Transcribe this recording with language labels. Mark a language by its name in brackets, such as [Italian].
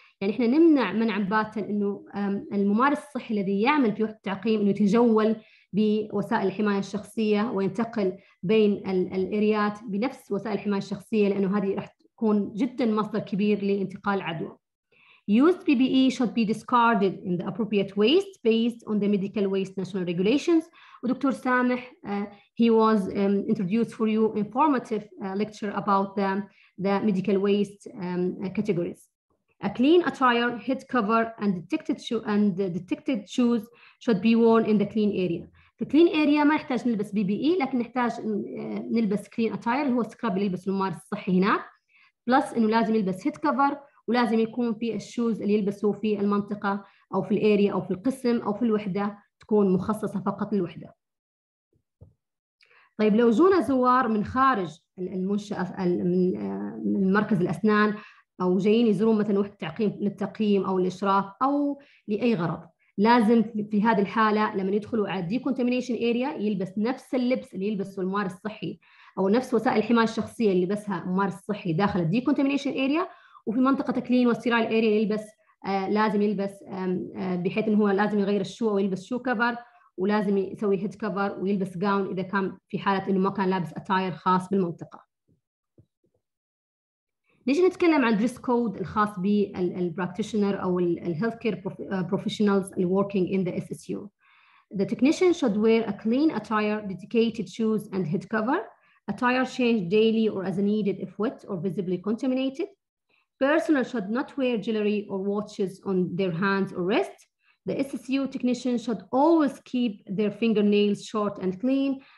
[Arabic] يعني احنا نمنع منعا باتا انه الممارس الصحي الذي يعمل في وحدة التعقيم انه يتجول بوسائل الحماية الشخصية وينتقل بين الإريات بنفس وسائل الحماية الشخصية, لأنه هذه راح تكون جدا مصدر كبير لانتقال العدوى. [English] Used PPE should be discarded in the appropriate waste based on the medical waste national regulations. ودكتور سامح he was introduced for you informative lecture about the medical waste categories. A clean attire, head cover, and detected shoes should be worn in the clean area. [Arabic] في clean area ما نحتاج نلبس PPE, لكن نحتاج نلبس clean attire اللي هو scrub اللي يلبس الممارس الصحي هناك. Plus إنه لازم يلبس head cover, ولازم يكون في الشوز اللي يلبسه في المنطقة أو في area أو في القسم أو في الوحدة تكون مخصصة فقط للوحدة. طيب لو جونا زوار من خارج المنشأة من مركز الأسنان, أو جايين يزورون مثلا وحدة تعقيم للتقييم أو الإشراف أو لأي غرض, لازم في هذه الحالة لما يدخلوا على decontamination area يلبس نفس اللبس اللي يلبسه الممارس الصحي, أو نفس وسائل الحماية الشخصية اللي لبسها الممارس الصحي داخل decontamination area, وفي منطقة كلين وسترايل area يلبس لازم يلبس بحيث أنه هو لازم يغير الشو ويلبس شو كفر, ولازم يسوي هيد كفر ويلبس جاون إذا كان في حالة أنه ما كان لابس أتاير خاص بالمنطقة. نيجي نتكلم عن [English] dress code الخاص بالبراكتيشنر أو الهيلث كير بروفيشنالز اللي working in the SSU. The technician should wear a clean attire, dedicated shoes and head cover. Attire change daily or as needed if wet or visibly contaminated. Personnel should not wear jewelry or watches on their hands or wrist. The SSU technician should always keep their fingernails short and clean.